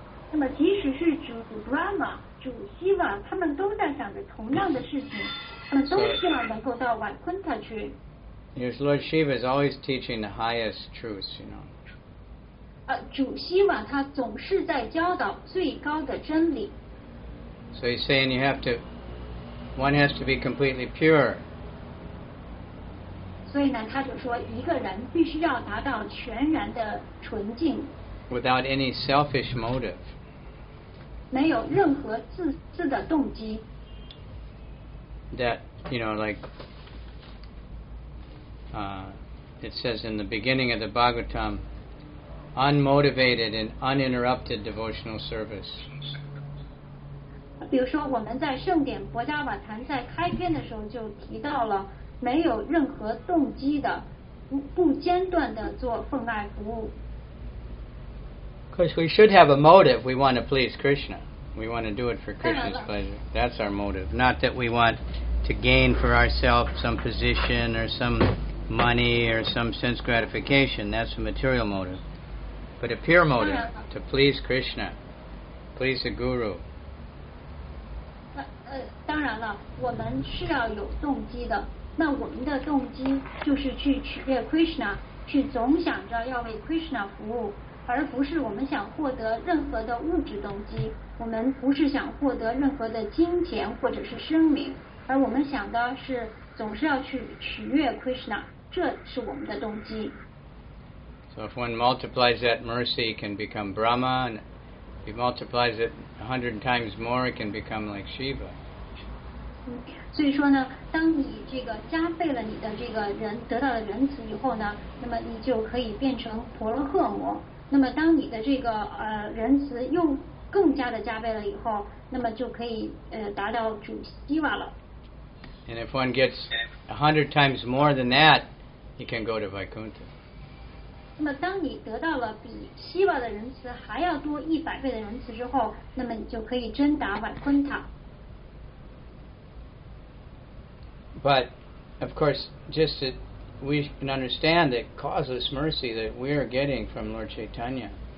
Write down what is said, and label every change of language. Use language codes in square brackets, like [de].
[en] Yes, Lord Shiva is always teaching the highest truths, you know. [zh] 主希瓦他总是在教导最高的真理。 [en] So he's saying you have to, one has to be completely pure. [zh] 所以呢，他就说一个人必须要达到全然的纯净。 [en] Without any selfish motive. [zh] 没有任何自私的动机。 [en] That, you know, like,it says in the beginning of the Bhagavatam, unmotivated and uninterrupted devotional service. [zh] 比如说我们在圣典博迦瓦坛在开篇的时候就提到了没有任何动机的 不间断的做奉爱服务。 [en] Because we should have a motive, we want to please Krishna. We want to do it for Krishna's pleasure. That's our motive. Not that we want to gain for ourselves some position or somemoney or some sense gratification, that's a material motive. But a pure motive, to please Krishna, please the Guru. [zh] 当然了，我们是要有动机的。那我们的动机就是去取悦 Krishna, 去总想着要为 Krishna 服务，而不是我们想获得任何的物质动机。我们不是想获得任何的金钱或者是声名，而我们想的是总是要去取悦 Krishna,这是我们的动机。 [en] So if one multiplies that mercy, it can become Brahma, and if he multiplies it 100 times more, it can become like Shiva. [zh] 所以说呢，当你这个加倍了你的这个仁，得到了仁慈以后呢，那么你就可以变成婆罗诃摩。那么当你的这个仁慈又更加的加倍了以后，那么就可以达到主希瓦了。 [en] And if one gets 100 times more than that, he can go to Vaikuntha. [zh] 那么当你得到了比希瓦的仁慈还要多100倍的仁慈之后，那么你就可以真达瓦昆塔。 [en] But, of course, just that we can understand the causeless mercy that we are getting from Lord Chaitanya.